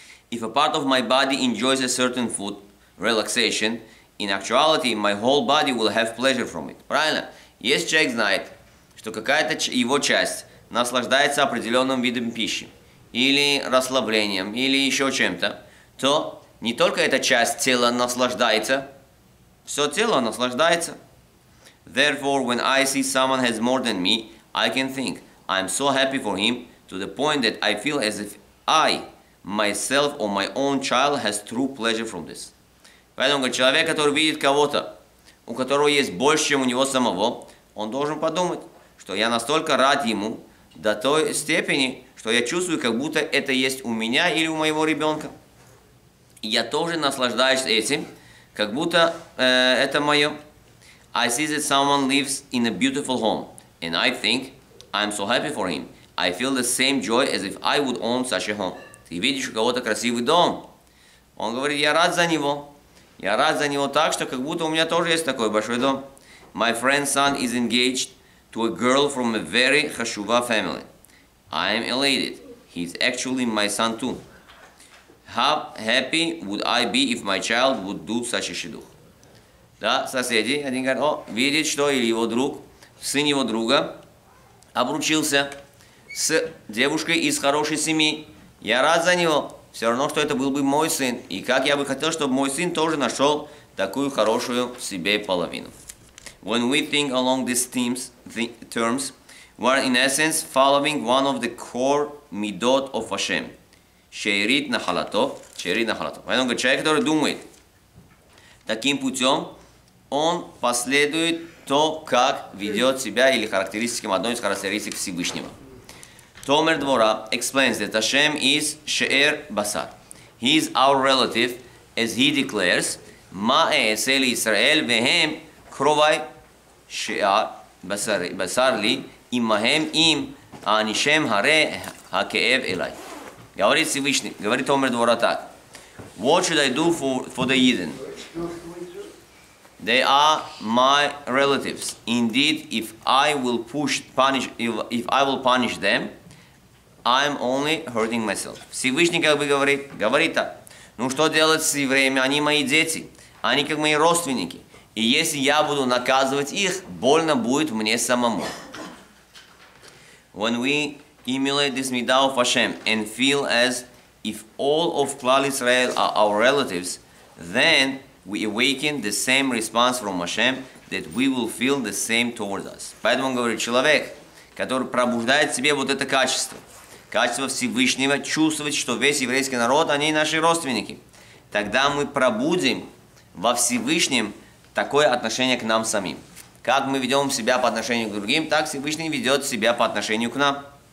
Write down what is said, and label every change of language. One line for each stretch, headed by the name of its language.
English: If a part of my body enjoys a certain food, relaxation, in actuality, my whole body will have pleasure from it.
Russian: Правильно? Если человек знает, что какая-то его часть наслаждается определенным видом пищи, или расслаблением, или еще чем-то, то не только эта часть тела наслаждается, все тело наслаждается.
English: Therefore, when I see someone has more than me, I can think, I'm so happy for him, to the point that I feel as if I myself or my own child has true pleasure from this.
Russian: Поэтому, говорит, человек, который видит кого-то, у которого есть больше, чем у него самого, он должен подумать, что я настолько рад ему до той степени, что я чувствую, как будто это есть у меня или у моего ребенка. И я тоже наслаждаюсь этим, как будто это мое.
English: I see that someone lives in a beautiful home, and I think I'm so happy for him. I feel the same joy as if I would own such a home.
Russian: Ты видишь у кого-то красивый дом. Он говорит, я рад за него. Я рад за него так, что как будто у меня тоже есть такой большой дом.
English: My friend's son is engaged to a girl from a very chashuva family. I am elated. He's actually my son too. How happy would I be if my child would do such a shidduch?
Russian: Да, соседи, один говорит, о, видит, что или его друг, сын его друга, обручился с девушкой из хорошей семьи. Я рад за него, все равно, что это был бы мой сын. И как я бы хотел, чтобы мой сын тоже нашел такую хорошую в себе половину.
English: When we think along these themes, terms, we are in essence following one of the core midot of Hashem.
Hebrew: Шеирит нахалато, шеирит нахалато.
Russian: Поэтому человек, который думает таким путем, он последует то, как ведет себя или характеристикам одной из характеристик Всевышнего.
English: Tomer Dvora explains that Hashem is She'er Basar. He is our relative, as he declares,
Hebrew: Ma'e Eseli Israel Vehem Krovai שאר בשר לי אימהם אם אני שם הרי הכאב אליי.
Russian: Говорит Всевышний, говорит Омер Двора так.
English: What should I do for the heathen? They are my relatives. Indeed, if I will punish them, I'm only hurting myself.
Russian: Всевышний как бы говорит так. Ну что делать с евреями? Они мои дети. Они как мои родственники. И если я буду наказывать их, больно будет мне самому.
English: When we emulate this midah of Hashem and feel as if all of Klal Israel are our relatives, then we awaken the same response from Hashem that we will feel the same towards us.
Russian: Поэтому он говорит, человек, который пробуждает в себе вот это качество, качество Всевышнего, чувствовать, что весь еврейский народ, они наши родственники, тогда мы пробудим во Всевышнем такое отношение к нам самим. Как мы ведем себя по отношению к другим, так Всевышний ведет себя по отношению к нам.